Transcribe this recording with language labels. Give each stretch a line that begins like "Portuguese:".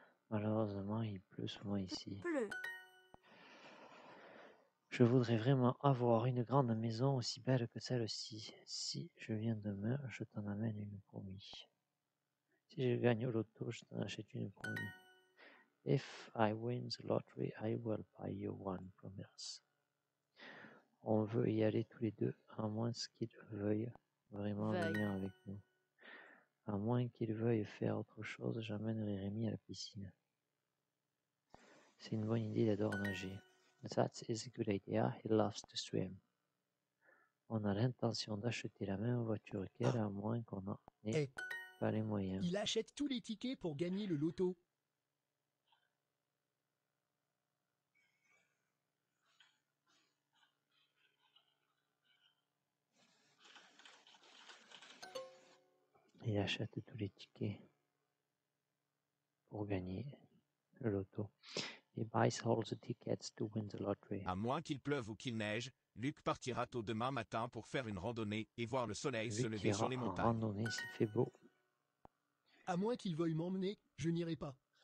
French: Malheureusement, il pleut souvent ici. Je voudrais vraiment avoir une grande maison aussi belle que celle-ci. Si je viens demain, je t'en amène une pour lui. Si je gagne au loto, je t'en achète une pour lui.
English: If I win the lottery, I will buy you one, promise.
French: On veut y aller tous les deux, à moins qu'il veuille vraiment venir avec nous. À moins qu'il veuille faire autre chose, j'amènerai Rémi à la piscine. C'est une bonne idée, il adore nager.
English: That is a good idea, he loves to swim.
French: On a l'intention d'acheter la même voiture qu'elle, à moins qu'on n'en ait pas les moyens. Il achète tous les tickets pour gagner le loto. Il achète tous les tickets pour gagner le loto.
English: He buys all the tickets to win the lottery.
French: À moins qu'il pleuve ou qu'il neige, Luc partira tôt demain matin pour faire une randonnée et voir le soleil Luc se lever sur les montagnes. En randonnée, s'il fait beau. À moins qu'il veuille m'emmener, je n'irai pas.